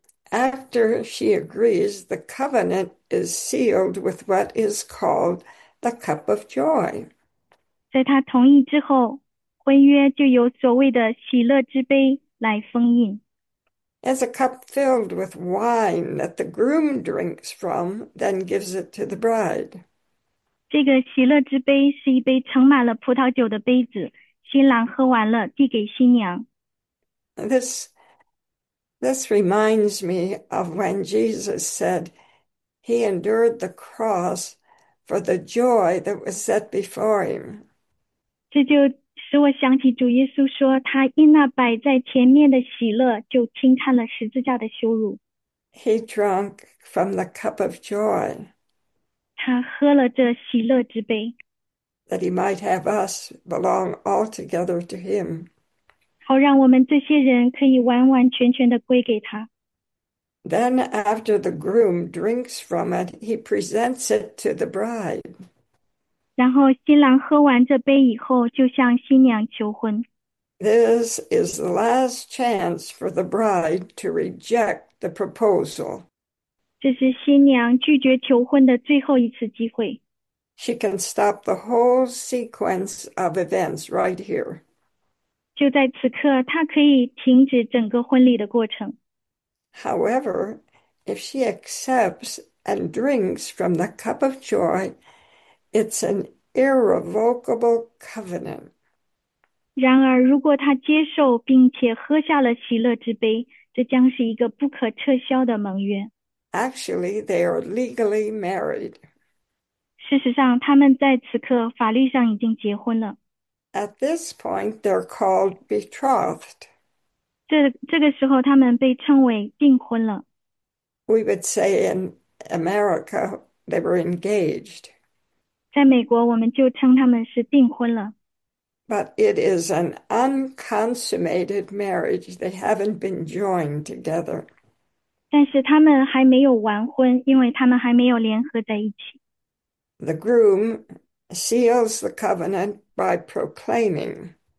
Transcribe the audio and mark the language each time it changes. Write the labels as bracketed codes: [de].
[en] After she agrees, the covenant is sealed with what is called the cup of joy. [zh] 在他同意之后，婚约就由所谓的喜乐之杯来封印。 [en] As a cup filled with wine that the groom drinks from, then gives it to the bride. [zh] 这个喜乐之杯是一杯盛满了葡萄酒的杯子，新郎喝完了，递给新娘。 [en] This reminds me of when Jesus said he endured the cross for the joy that was set before him. [zh] 这就使我想起主耶稣说，他因那摆在前面的喜乐，就轻看了十字架的羞辱。 [en] He drank from the cup of joy [zh] 他喝了这喜乐之杯， [en] that he might have us belong altogether to him. [zh] 好让我们这些人可以完完全全的归给他。 [en] Then, after the groom drinks from it, he presents it to the bride. [zh] 然后新郎喝完这杯以后，就向新娘求婚。 [en] This is the last chance for the bride to reject the proposal. [zh] 这是新娘拒绝求婚的最后一次机会。 [en] She can stop the whole sequence of events right here. [zh] 就在此刻，她可以停止整个婚礼的过程。 [en] However, if she accepts and drinks from the cup of joy, it's an irrevocable covenant. [zh] 然而，如果她接受并且喝下了喜乐之杯，这将是一个不可撤销的盟约。 [en] Actually, they are legally married. [zh] 事实上，他们在此刻法律上已经结婚了。 [en] At this point, they're called betrothed. [zh] 这个时候，他们被称为订婚了。 [en] We would say in America, they were engaged. [zh] 在美国，我们就称他们是订婚了。 [en] But it is an unconsummated marriage. They haven't been joined together. [zh] 但是他们还没有完婚，因为他们还没有联合在一起。 [en] The groom seals the covenant by proclaiming.